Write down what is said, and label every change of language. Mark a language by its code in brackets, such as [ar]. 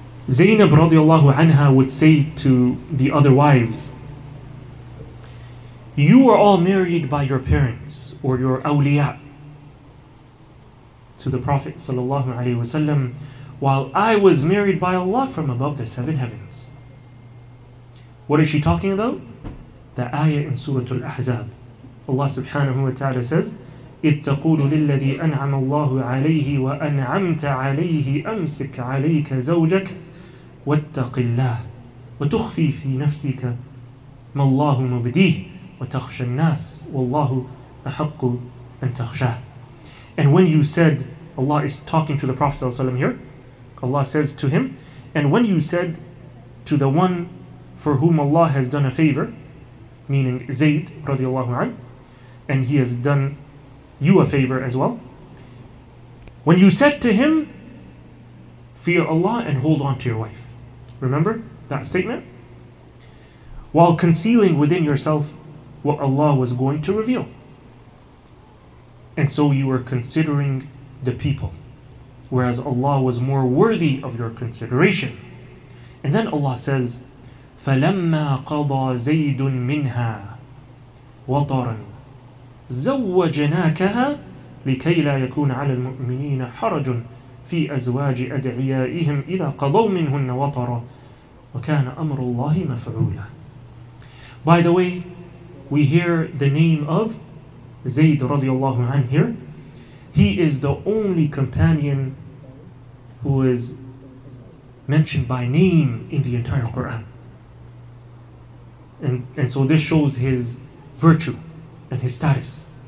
[en] Zainab radiallahu anha would say to the other wives, you are all married by your parents or your awliya to the Prophet sallallahu alaihi wasallam, while I was married by Allah from above the seven heavens. What is she talking about? The ayah in Surah Al-Ahzab. Allah subhanahu wa ta'ala says, [ar] إِذْ تَقُولُ لِلَّذِي أَنْعَمَ اللَّهُ عَلَيْهِ وَأَنْعَمْتَ عَلَيْهِ أَمْسِكْ عَلَيْكَ زَوْجَكَ وَاتَّقِ اللَّهِ وَتُخْفِي فِي نَفْسِكَ مَا اللَّهُ مُبْدِيهِ وَتَخْشَ النَّاسِ وَاللَّهُ أَحَقُّ أَنْ تَخْشَهِ. [en] And when you said, Allah is talking to the Prophet ﷺ here, Allah says to him, and when you said to the one for whom Allah has done a favor, meaning Zayd radiallahu anhu, and he has done you a favor as well, when you said to him, fear Allah and hold on to your wife. Remember that statement? While concealing within yourself what Allah was going to reveal. And so you were considering the people, whereas Allah was more worthy of your consideration. And then Allah says, [ar] فَلَمَّا قَضَى زَيْدٌ مِنْهَا وَطَرًا زَوَّجْنَاكَهَا لِكَيْ لَا يَكُونَ عَلَى الْمُؤْمِنِينَ حَرَجٌ فِي أَزْوَاجِ أَدْعِيَائِهِمْ إِذَا قَضَوْ مِنْهُنَّ وَطَرًا وَكَانَ أَمْرُ اللَّهِ مَفْعُولًا. [en] By the way, we hear the name of Zayd radiallahu anhu here. He is the only companion who is mentioned by name in the entire Quran. And so this shows his virtue and his status.